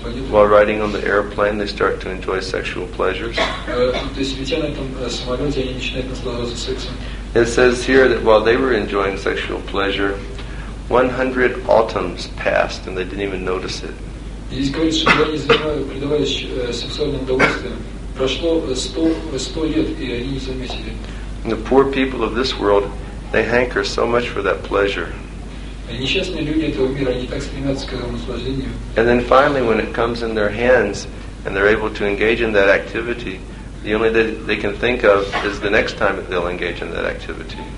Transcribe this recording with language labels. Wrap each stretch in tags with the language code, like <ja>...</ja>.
<en>While riding on the airplane, they start to enjoy sexual pleasures. It says here that while they were enjoying sexual pleasure, 100 autumns passed and they didn't even notice it.</en> <ru>Здесь говорится, что они предавались сексуальным удовольствиям. Прошло 100 лет, и они не заметили.</ru> <en>The poor people of this world, they hanker so much for that pleasure.</en> <ru>Несчастные люди этого мира, они так стремятся к этому наслаждению.</ru> <en>And then finally, when it comes in their hands, and they're able to engage in that activity, the only thing they can think of is the next time that they'll engage in that activity.</en>